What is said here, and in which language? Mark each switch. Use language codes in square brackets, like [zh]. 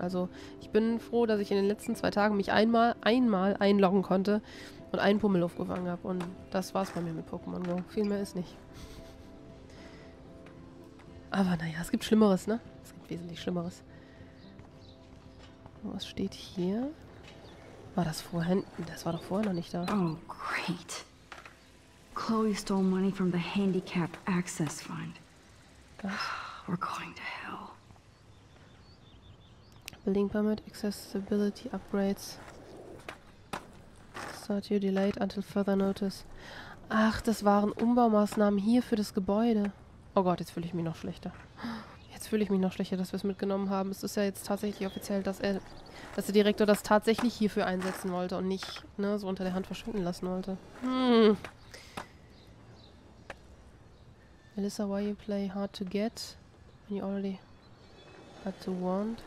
[de] Also ich bin froh, dass ich in den letzten zwei Tagen mich einmal einloggen konnte und einen Pummel aufgefangen habe und das war's bei mir mit Pokémon Go. Viel mehr ist nicht. Aber naja, es gibt Schlimmeres, ne? Es gibt wesentlich Schlimmeres. Was steht hier? War das vorhin? Das war doch vorher noch nicht da. [en] Oh, great. Chloe stole money from the handicap access fund. We're going to hell. Building permit, accessibility upgrades. Start you delayed until further notice. [de] Ach, das waren Umbaumaßnahmen hier für das Gebäude. Oh Gott, jetzt fühle ich mich noch schlechter. Jetzt fühle ich mich noch schlechter, dass wir es mitgenommen haben. Es ist ja jetzt tatsächlich offiziell, dass der Direktor das tatsächlich hierfür einsetzen wollte und nicht, ne, so unter der Hand verschwinden lassen wollte. [en] Alyssa, why you play hard to get when you already had to want?